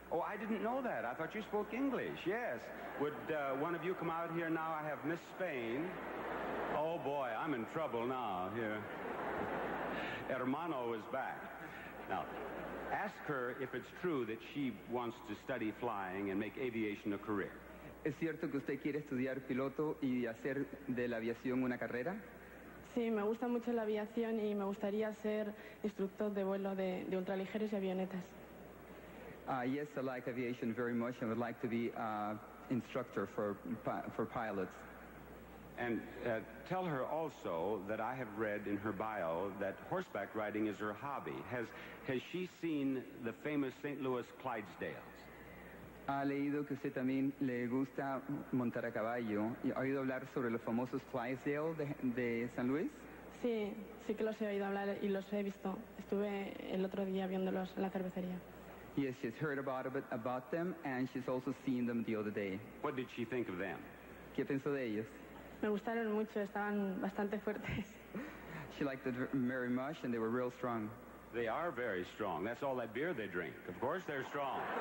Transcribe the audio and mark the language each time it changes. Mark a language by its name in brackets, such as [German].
[English] Oh, I didn't know that. I thought you spoke English. Yes. Would one of you come out here now? I have Miss Spain. Oh, boy, I'm in trouble now here. Hermano is back. Now, ask her if it's true that she wants to study flying and make aviation a career. [Spanish] ¿Es cierto que usted quiere estudiar piloto y hacer de la aviación una carrera? Sí, me gusta mucho la aviación y me gustaría ser instructor de vuelo de ultraligeros y avionetas. [English] Yes, I like aviation very much and would like to be an instructor for pilots. And tell her also that I have read in her bio that horseback riding is her hobby. Has she seen the famous St. Louis Clydesdales? [Spanish] Ha leído que usted también le gusta montar a caballo. ¿Ha oído hablar sobre los famosos Clydesdales de San Luis? Sí, sí que los he oído hablar y los he visto. Estuve el otro día viéndolos en la cervecería. [English] Yes, she's heard about them and she's also seen them the other day. What did she think of them? [Spanish] ¿Qué pensó de ellos? Me gustaron mucho, estaban bastante fuertes. [English] She liked them very much and they were real strong. They are very strong. That's all that beer they drink. Of course they're strong.